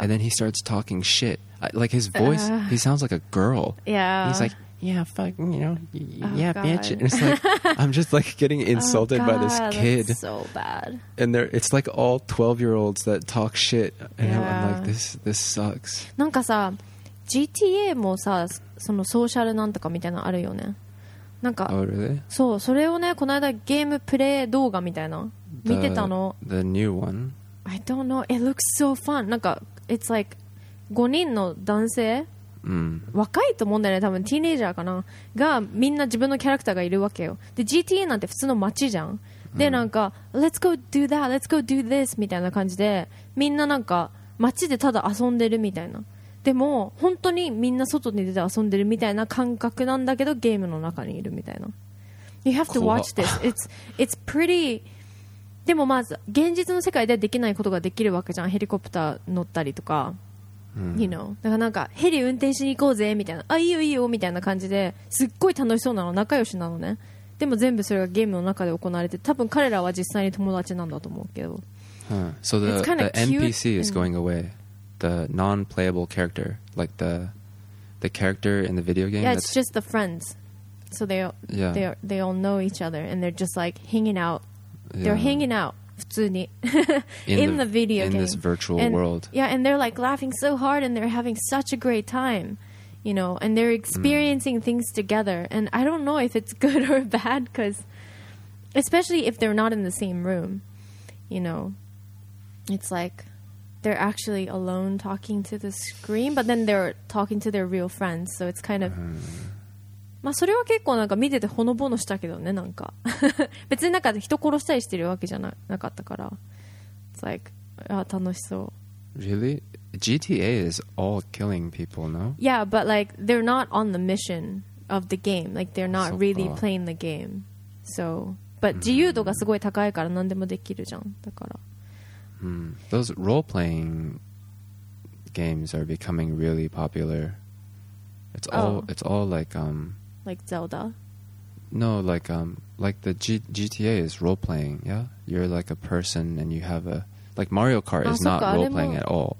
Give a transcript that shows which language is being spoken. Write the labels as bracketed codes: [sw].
[en] And then he starts talking shit. Like his voice, he sounds like a girl. Yeah. He's like, yeah, fuck, you know, yeah, God. Bitch. And it's like, I'm just like getting insulted by this kid. So bad. And there, it's like all 12-year-olds that talk shit. And yeah. I'm like, this sucks. [ja] なんかさ、GTA もさ、そのソーシャルなんとかみたいなあるよね。なんか、 [en] oh, really? [ja] そう、それをね、この間ゲームプレイ動画みたいな、見てたの。 [en] The new one? I don't know. It looks so fun. なんか it's like 5人の男性、 [ja] うん、若いと思うんだよね。多分ティーネイジャーかながみんな自分のキャラクターがいるわけよ。で GTA なんて普通の街じゃん。でなんか、うん、 Let's go do that. Let's go do this みたいな感じでみんななんか街でただ遊んでるみたいな。でも本当にみんな外に出て遊んでるみたいな感覚なんだけどゲームの中にいるみたいな。 [en] You have to watch this. It's pretty. [ja] でもまず現実の世界ではできないことができるわけじゃん。ヘリコプター乗ったりとか、うん、 [en] you know? [ja] だからなんかヘリ運転しに行こうぜみたいな、あいいよいいよみたいな感じですっごい楽しそうなの、仲良しなのね。でも全部それがゲームの中で行われて、多分彼らは実際に友達なんだと思うけど、 [en] huh. So the NPC is going away. The non-playable character, like the character in the video game. Yeah, it's just the friends. So they all know each other and they're just like hanging outThey're hanging out, 普通に in the video game. In this virtual world. Yeah, and they're like laughing so hard and they're having such a great time, you know, and they're experiencing things together. And I don't know if it's good or bad, because especially if they're not in the same room, you know, it's like they're actually alone talking to the screen, but then they're talking to their real friends. So it's kind of... [ja] まあ、それは結構なんか見ててほのぼのしたけどね、なんか別になんか人殺したりしてるわけじゃなかったから、 It's like あ楽しそう。 [en] Really? GTA is all killing people, no? Yeah, but like they're not on the mission of the game. Like they're not really playing the game. [ja] So, but 自由度がすごい高いから何でもできるじゃん、だから、 [en] Those role playing games are becoming really popular. It's all like Like Zelda? No, like the GTA is role-playing, yeah? You're like a person and you have a... Like Mario Kart is not role-playing at all.